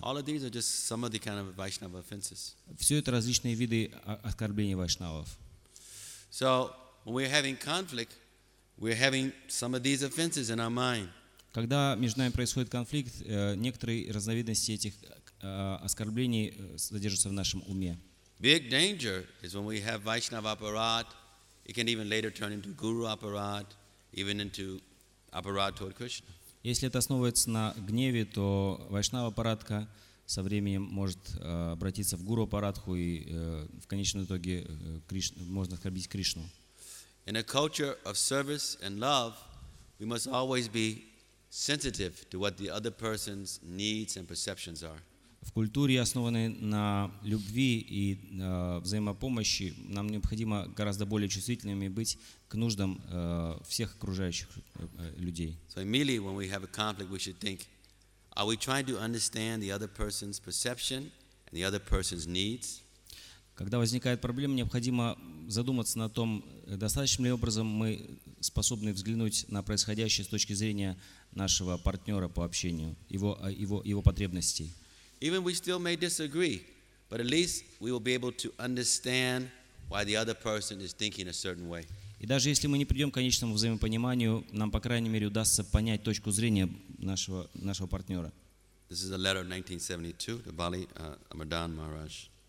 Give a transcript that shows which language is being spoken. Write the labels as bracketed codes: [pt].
[en] All of these are just some of the kind of Vaishnava offenses. [ru] Все это различные виды оскорблений Вайшнавов. [en] So, when we're having conflict, we're having some of these offenses in our mind. [ru] Когда между нами происходит конфликт, некоторые разновидности этих оскорблений содержатся в нашем уме. [en] Big danger is when we have Vaishnava aparad, it can even later turn into guru aparad, even into aparad toward Krishna. [ru] Если это основывается на гневе, то вайшнава парадха со временем может обратиться в гуру парадху и в конечном итоге можно оскорбить Кришну. [en] In a culture of service and love, we must always be sensitive to what the other person's needs and perceptions are. [ru] В культуре, основанной на любви и взаимопомощи, нам необходимо гораздо более чувствительными быть к нуждам всех окружающих людей. [en] So immediately when we have a conflict, we should think, are we trying to understand the other person's perception and the other person's needs? [ru] Когда возникает проблема, необходимо задуматься над том, достаточным ли образом мы способны взглянуть на происходящее с точки зрения нашего партнера по общению, его потребностей. [en] Even we still may disagree, but at least we will be able to understand why the other person is thinking a certain way. [ru] И даже если мы не придем к конечному взаимопониманию, нам по крайней мере удастся понять точку зрения нашего партнера. [en] This is a letter of 1972 to Bali Mardan Maharaj.